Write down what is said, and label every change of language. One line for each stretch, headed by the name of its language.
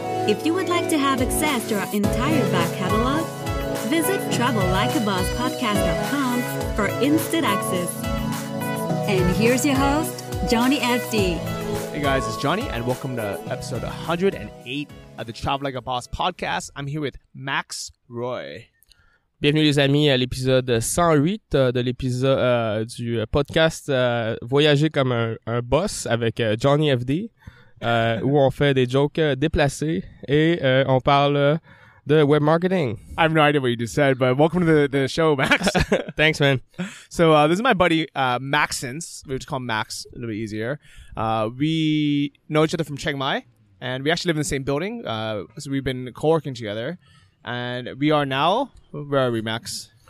English: If you would like to have access to our entire back catalog, visit travellikeabosspodcast.com for instant access. And here's your host, Johnny FD. Hey guys, it's Johnny, and welcome to episode 108 of the Travel Like a Boss podcast. I'm here with Max Roy.
French: Bienvenue les amis à l'épisode 108 de l'épisode du podcast Voyager comme un boss avec Johnny FD, où on fait des jokes déplacés et on parle de web marketing.
English: I have no idea what you just said, but welcome to the show, Max. Thanks, man. So this is my buddy Maxence. We just call him Max, a little bit easier. We know each other from Chiang Mai, and we actually live in the same building. So we've been co-working together. And we are now, where are we, Max?